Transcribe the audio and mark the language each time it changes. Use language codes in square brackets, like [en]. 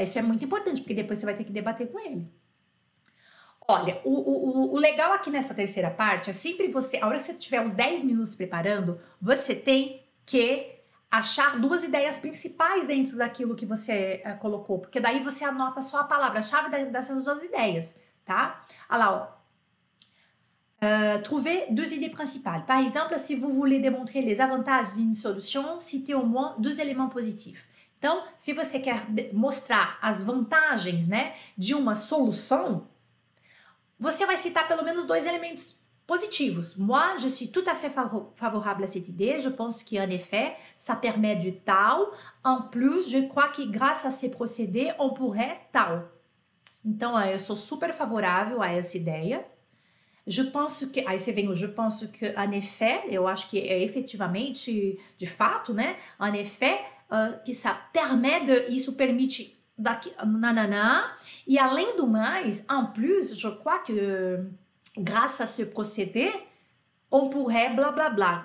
[pt] Isso é muito importante, porque depois você vai ter que debater com ele. Olha, o legal aqui nessa terceira parte é sempre você, a hora que você tiver uns 10 minutos preparando, você tem que achar duas ideias principais dentro daquilo que você colocou, porque daí você anota só a palavra-chave dessas duas ideias, tá? Olha lá, ó. [fr] Trouver deux idées principales. Par exemple, si vous voulez démontrer les avantages d'une solution, citez au moins deux éléments positifs. [pt] Então, se você quer mostrar as vantagens, né, de uma solução, você vai citar pelo menos dois elementos positivos. [fr] Moi, je suis tout à fait favorable à cette idée. Je pense qu'en effet, ça permet du tal. En plus, je crois que grâce à ces procédés, on pourrait tal. [pt] Então, eu sou super favorável a essa ideia. [fr] Je pense que, [pt] aí você vem o [fr] je pense que, en effet, [pt] eu acho que é efetivamente, de fato, né? [fr] En effet, que ça permet de, [pt] isso permite daqui, [fr] nananã. [pt] E além do mais, [fr] en plus, je crois que, grâce à ce procédé, on pourrait, blá blá blá.